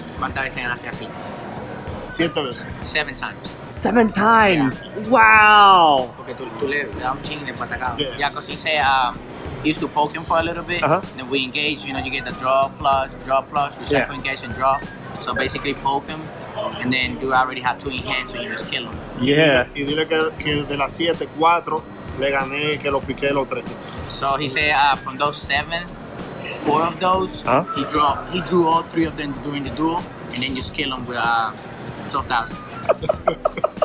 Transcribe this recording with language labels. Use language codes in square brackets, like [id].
[en] Seven times. Wow. Because he said, used to poke him for a little bit. Uh-huh. Then we engage, you know, you get the draw plus, you cycle engage and draw. So basically poke him, and then you already have two in hand, so you just kill him. Yeah. [es] Y dile que de las siete, cuatro, le gané, que lo piqué los tres. [en] So he said, from those seven, four of those, uh-huh. he drew all three of them during the duel, and then just kill him with 12,000.